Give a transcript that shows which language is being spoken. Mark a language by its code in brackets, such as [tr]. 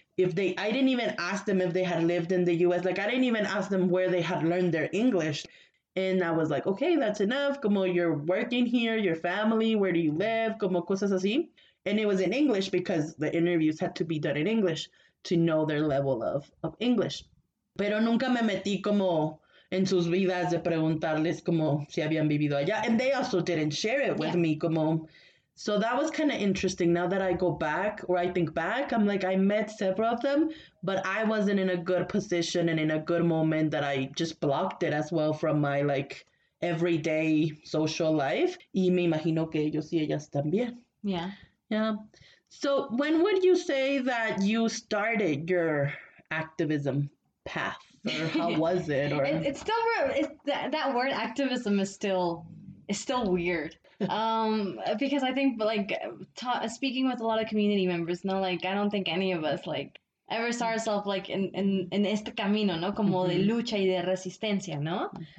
[en] I didn't even ask them if they had lived in the US. Like I didn't even ask them where they had learned their English. And I was like, okay, that's enough. Como you're working here, your family, where do you live? [es] Como cosas así. [en] And it was in English because the interviews had to be done in English to know their level of English. [es] Pero nunca me metí como en sus vidas de preguntarles como si habían vivido allá. [en] And they also didn't share it with me como. So that was kind of interesting. Now that I go back or I think back, I'm like, I met several of them, but I wasn't in a good position and in a good moment that I just blocked it as well from my like everyday social life. [es] Y me imagino que ellos y ellas también. [en] Yeah. So when would you say that you started your activism path, or how was it, or? That word activism is still weird. Because I think like ta speaking with a lot of community members, no, like I don't think any of us like ever saw ourselves like in [es] este camino, no, como de lucha y de resistencia, no.